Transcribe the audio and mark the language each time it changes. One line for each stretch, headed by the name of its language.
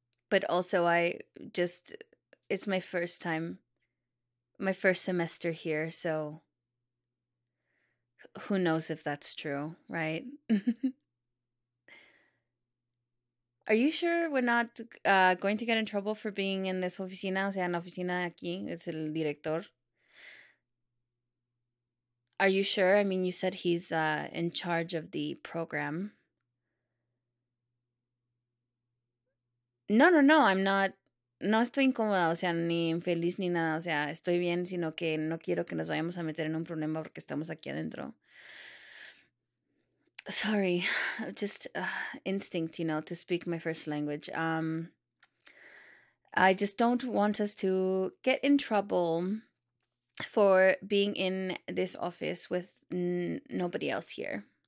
English: But also it's my first time, my first semester here, so who knows if that's true, right? Are you sure we're not going to get in trouble for being in this oficina?
Spanish: O sea, en la oficina de aquí, es el director.
English: Are you sure? I mean, you said he's in charge of the program. No, I'm not.
Spanish: No estoy incómoda, o sea, ni infeliz ni nada. O sea, estoy bien, sino que no quiero que nos vayamos a meter en un problema porque estamos aquí adentro.
English: Sorry, just instinct, you know, to speak my first language. I just don't want us to get in trouble for being in this office with nobody else here.